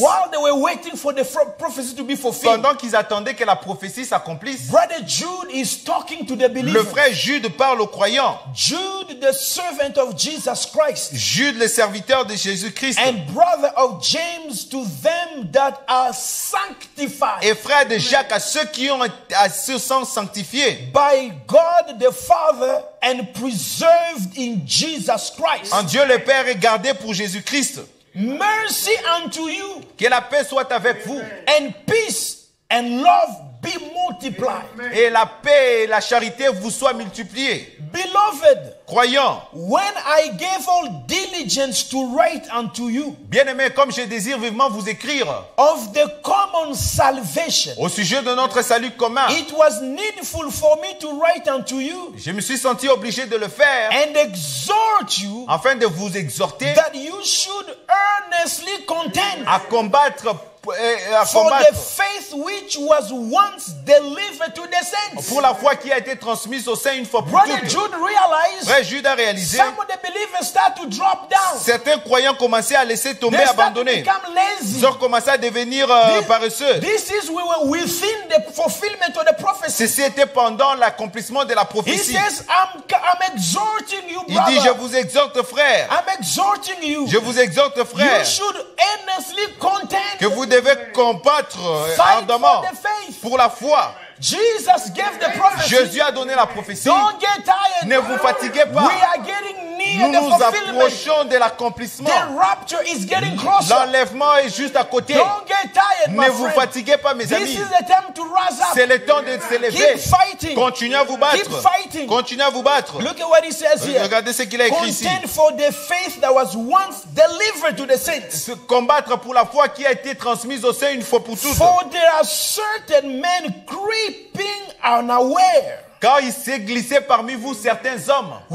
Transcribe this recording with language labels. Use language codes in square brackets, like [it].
[en] While they were waiting for the prophecy to be fulfilled. [fr] Pendant qu'ils attendaient que la prophétie s'accomplisse. [en] Brother Jude is talking to the believer. [fr] Le frère Jude parle aux croyants. [en] Jude, the servant of Jesus Christ. [fr] Jude, le serviteur de Jésus-Christ. [en] And brother of James to them that are sanctified. [fr] Et frère de Jacques à ceux qui se sont sanctifiés. [en] By God the Father and preserved in Jesus Christ. [fr] En Dieu le Père est gardé pour Jésus-Christ. [en] Mercy unto you. [fr] Que la paix soit avec vous. [en] And peace and love be multiplied. [fr] Et la paix et la charité vous soient multipliées. [en] Beloved. [fr] Croyant, [en] when I gave all diligence to write unto you, [fr] bien-aimé, comme je désire vivement vous écrire, [en] of the common salvation, [fr] au sujet de notre salut commun, [en] it was needful for me to write unto you, [fr] je me suis senti obligé de le faire, [en] and exhort you, [fr] afin de vous exhorter, [en] that you should earnestly contend, [fr] à combattre, [en] for the faith which was once delivered to the saints, [fr] pour la foi qui a été transmise aux saints une fois pour toutes. [en] Brother Jude realized. [fr] Vrai, Jude a réalisé. [en] Some of the believers start to drop down. [fr] Certains croyants commençaient à laisser tomber, [en] they [fr] abandonner. [en] They start to become lazy. [fr] Ils ont commencé à devenir paresseux. [en] This is we were within the fulfillment of the prophecy. [fr] Ceci était pendant l'accomplissement de la prophétie. [en] He says, I'm exhorting you, brother. [fr] Il dit, je vous exhorte, frère. [en] I'm exhorting you. [fr] Je vous exhorte, frère. [en] You should earnestly contend. [fr] Que vous devez combattre ardemment pour la foi. [en] Jesus gave the prophecy. [fr] Jésus a donné la prophétie. [en] Don't get tired. [fr] Ne vous fatiguez pas. [en] We are getting near [fr] nous [en] the [fr] nous approchons de l'accomplissement. [en] The rapture is getting closer. [fr] L'enlèvement est juste à côté. [en] Don't get tired, [fr] ne [en] my [fr] vous [en] friend. [fr] Fatiguez pas, mes [en] this [fr] amis. [en] Is the time to rise up. [fr] C'est le temps de s'élever. [en] Keep fighting. [fr] Continuez à vous battre. [en] Keep fighting. [fr] Continuez à vous battre. [en] Look at what he says here. [fr] Regardez ce qu'il a écrit ici. [en] Contend for the faith that was once delivered to the saints. [fr] Combattre pour la foi qui a été transmise au sein une fois pour toutes. [en] For there are certain men creeping unaware. [fr] Car il s'est glissé parmi vous certains hommes.